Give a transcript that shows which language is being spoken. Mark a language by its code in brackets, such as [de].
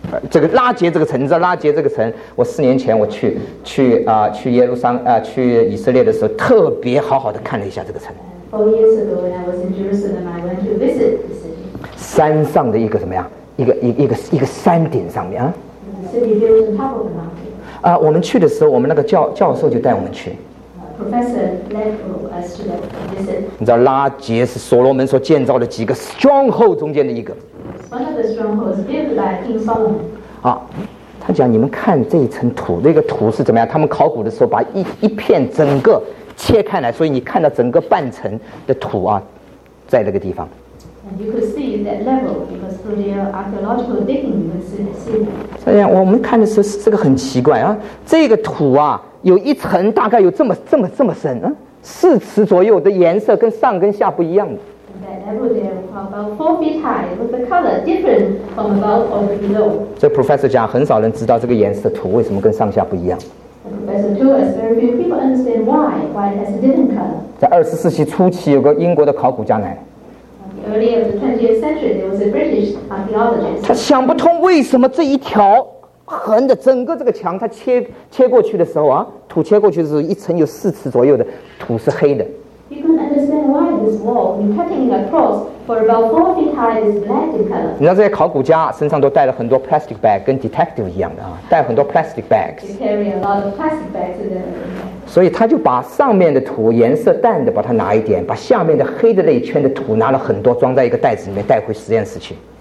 [zh] 这个拉杰这个城，你知道拉杰这个城？我四年前我去耶路撒冷去以色列的时候，特别好好的看了一下这个城。 [en] 4 years ago, when I was in Jerusalem, I went to visit the city. [zh] 山上的一个什么呀？一个山顶上面啊。 [en] The city built on top of the mountain. [zh] 啊，我们去的时候，我们那个教授就带我们去。 [en] Professor led us to the visit. [zh] 你知道拉杰是所罗门所建造的几个 stronghold 中间的一个。 [en] One of the strongholds built by King Solomon. [zh] 啊，他讲你们看这一层土，那个土是怎么样？他们考古的时候把一片整个切开来，所以你看到整个半层的土啊，在那个地方。 [en] And you could see that level because through their archaeological digging, you could see. [zh] 这样我们看的时候，这个很奇怪啊，这个土啊。有一层大概有这么深，嗯，四尺左右的颜色跟上跟下不一样的。 [en] That level about 4 feet high, with the color different from above or below. [zh] 这 professor 讲很少人知道这个颜色土为什么跟上下不一样。 [en] Professor told us very few people understand why it has a different color. [zh] 在20世纪初期，有个英国的考古家来。 [en] Early of the 20th century, there was a British archaeologist. [zh] 他想不通为什么这一条。横的整个这个墙，它切过去的时候啊，土切过去的时候，一层有4尺左右的土是黑的。 [en] You can understand why this wall, in cutting across for about 4 feet high, is black in color. [zh] 你知道这些考古家身上都带了很多 plastic bag， 跟 detective 一样的啊，带很多 plastic bags. [en] You carry a lot of plastic bags in there. [zh] 所以他就把上面的土颜色淡的把它拿一点，把下面的黑的那一圈的土拿了很多，装在一个袋子里面带回实验室去。